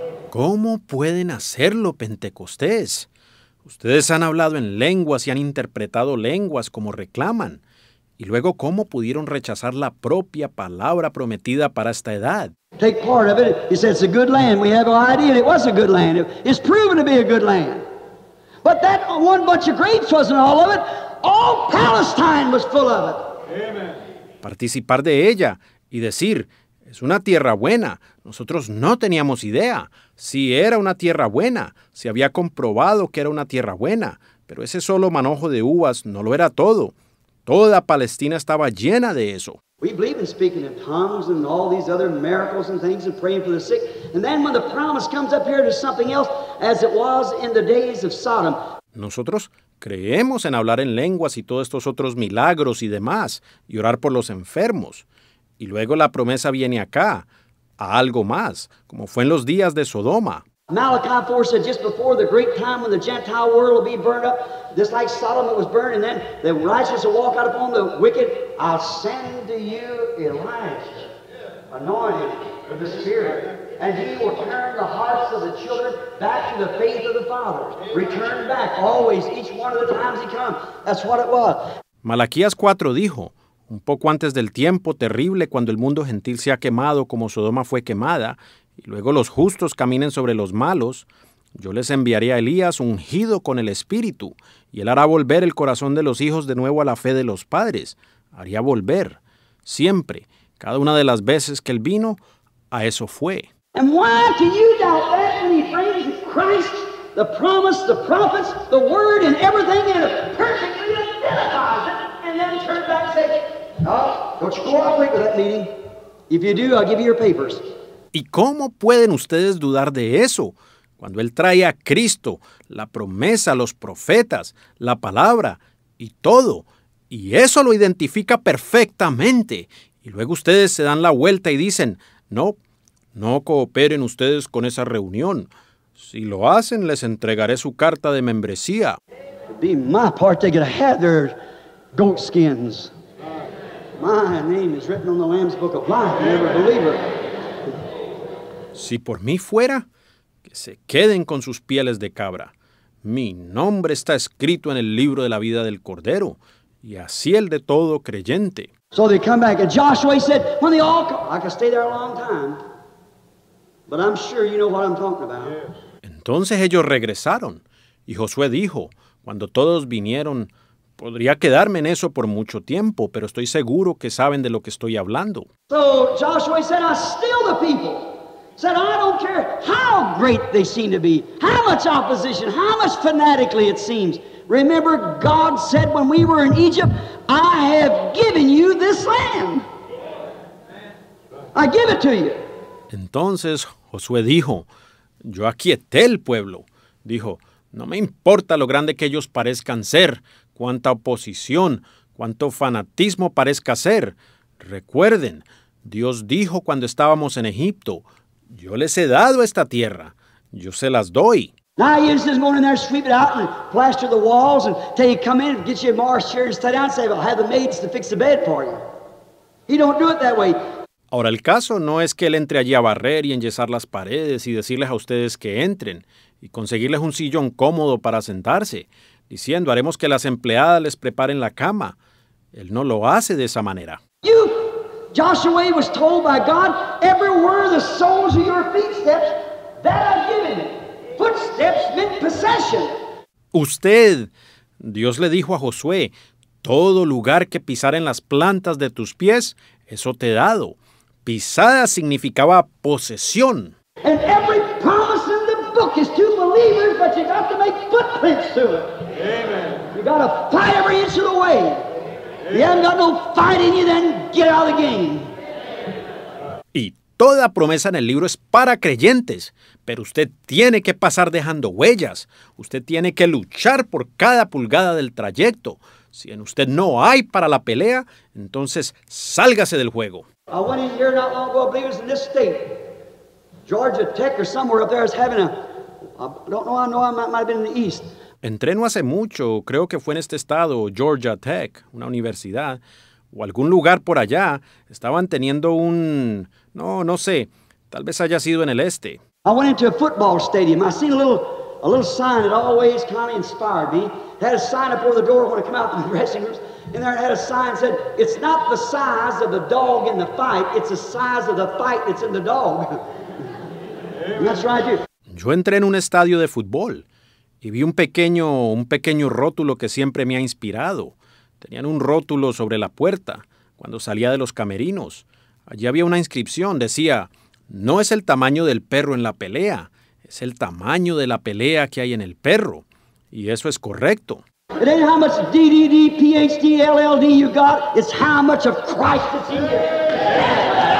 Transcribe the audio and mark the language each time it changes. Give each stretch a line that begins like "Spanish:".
Spanish: ¿Cómo pueden hacerlo, Pentecostés? Ustedes han hablado en lenguas y han interpretado lenguas como reclaman. Y luego, ¿cómo pudieron rechazar la propia palabra prometida para esta edad?
English: Take part of it. He said, it's a good land. We have an idea. It was a good land. It's proven to be a good land. But that one bunch of grapes wasn't all of it. All Palestine was full of it. Amen.
Spanish: Participar de ella y decir, es una tierra buena. Nosotros no teníamos idea si era una tierra buena, si había comprobado que era una tierra buena. Pero ese solo manojo de uvas no lo era todo. Toda Palestina estaba llena de eso.
English: We believe in speaking in tongues and all these other miracles and things and praying for the sick. And then when the promise comes up here to something else, as it was in the days of Sodom.
Spanish: Nosotros creemos en hablar en lenguas y todos estos otros milagros y demás, y orar por los enfermos. Y luego la promesa viene acá, a algo más, como fue en los días de Sodoma.
English: Malachi 4 said, just before the great time when the Gentile world will be burned up, just like Sodom it was burned, and then the righteous will walk out upon the wicked, I'll send to you Elijah, anointed with the Spirit, and he will turn the hearts of the children back to the faith of the fathers. Return back, always, each one of the times he comes. That's what it was.
Spanish: Malaquías 4 dijo, un poco antes del tiempo terrible cuando el mundo gentil se ha quemado como Sodoma fue quemada, y luego los justos caminen sobre los malos, yo les enviaré a Elías ungido con el Espíritu, y él hará volver el corazón de los hijos de nuevo a la fe de los padres. Haría volver. Siempre, cada una de las veces que él vino, a eso fue.
English: And why do you doubt that when he brings Christ, the promise, the prophets, the word, and everything, and perfectly identifies it, and then turn back and say, no, don't you cooperate with that meeting. If you do, I'll give you your papers.
Spanish: ¿Y cómo pueden ustedes dudar de eso? Cuando Él trae a Cristo, la promesa, los profetas, la palabra y todo. Y eso lo identifica perfectamente. Y luego ustedes se dan la vuelta y dicen, no, no cooperen ustedes con esa reunión. Si lo hacen, les entregaré su carta de membresía.
English: It'd be my part to get a Heather goat skins. My name is written on the Lamb's Book of Life, and every believer.
Spanish: Si por mí fuera, que se queden con sus pieles de cabra. Mi nombre está escrito en el libro de la vida del Cordero, y así el de todo creyente.
English: So they come back, and Joshua said, when they all come, I could stay there a long time, but I'm sure you know what I'm talking about.
Spanish: Entonces ellos regresaron, y Josué dijo, cuando todos vinieron, podría quedarme en eso por mucho tiempo, pero estoy seguro que saben de lo que estoy hablando.
English: So Joshua said, I steal the people. Said, I don't care how great they seem to be, how much opposition, how much fanatically it seems. Remember, God said when we were in Egypt, I have given you this land. I give it to you.
Spanish: Entonces Josué dijo, yo aquieté el pueblo. Dijo, no me importa lo grande que ellos parezcan ser, cuánta oposición, cuánto fanatismo parezca ser. Recuerden, Dios dijo cuando estábamos en Egipto, yo les he dado esta tierra, yo se las doy.
English: Now you just go in there, sweep it out, and plaster the walls, and tell you come in, get you a marsh chair, and sit down, and say, I'll have the maids to fix the bed for you. He don't do it that way.
Spanish: Ahora, el caso no es que él entre allí a barrer y enyesar las paredes y decirles a ustedes que entren y conseguirles un sillón cómodo para sentarse, diciendo, haremos que las empleadas les preparen la cama. Él no lo hace de esa manera.
English: Joshua was told by God, everywhere the soles of your feet steps, that I've given you. Footsteps meant possession.
Spanish: Usted, Dios le dijo a Josué, todo lugar que pisar en las plantas de tus pies, eso te he dado. Pisada significaba posesión.
English: And every promise in the book is to believers, but you got to make footprints to it. Amen. You got to fight every inch of the way. You haven't got no fight in you, then get out of the game.
Spanish: Y toda promesa en el libro es para creyentes, pero usted tiene que pasar dejando huellas. Usted tiene que luchar por cada pulgada del trayecto. Si en usted no hay para la pelea, entonces sálgase del juego.
English: I went in here not long ago, I believe it was in this state. Georgia Tech or somewhere up there is having a... I might have been in the east.
Spanish: Entreno hace mucho, creo que fue en este estado, Georgia Tech, una universidad, o algún lugar por allá. Estaban teniendo un... No sé, tal vez haya sido en el este.
English: I went into a football stadium. I seen a little sign that always kind of inspired me. It had a sign up over the door when I come out from the dressing rooms. And there it had a sign that said, it's not the size of the dog in the fight, it's the size of the fight that's in the dog. And that's right here.
Spanish: Yo entré en un estadio de fútbol y vi un pequeño rótulo que siempre me ha inspirado. Tenían un rótulo sobre la puerta cuando salía de los camerinos. Allí había una inscripción, decía, no es el tamaño del perro en la pelea, es el tamaño de la pelea que hay en el perro. Y eso es correcto.
English: It ain't how much DDD, PhD, LLD you got, it's how much of Christ is in you.